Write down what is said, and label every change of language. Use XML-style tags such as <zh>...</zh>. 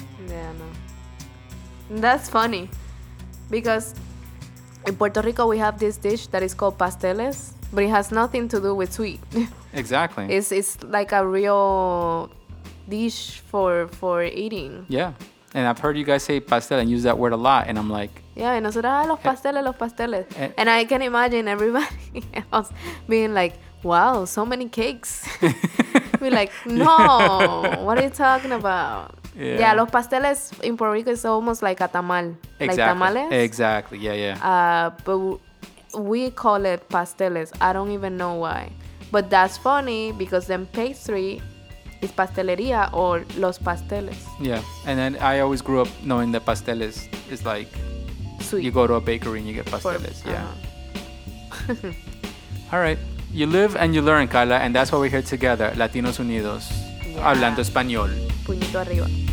<en>Yeah, no. That's funny. Because in Puerto Rico, we have this dish that is called pasteles, but it has nothing to do with sweet. Exactly. It's like a real dish for eating. Yeah. And I've heard you guys say pastel and use that word a lot. And I'm like...</en> <es>Yeah, y nosotros, los pasteles, los pasteles.</es> <en>And I can imagine everybody else being like, wow, so many cakes. Be like, no, what are you talking about? Yeah, los pasteles in Puerto Rico is almost like a tamal. Exactly. Like tamales. Exactly, yeah. But we call it pasteles. I don't even know why. But that's funny because then pastry... Is pastelería or los pasteles? Yeah, and then I always grew up knowing that pasteles is like sweet. You go to a bakery and you get pasteles. Yeah. All right, you live and you learn, Carla, and that's why we're here together, Latinos Unidos, yeah.</en> <es>Hablando español. Puñito arriba.</es>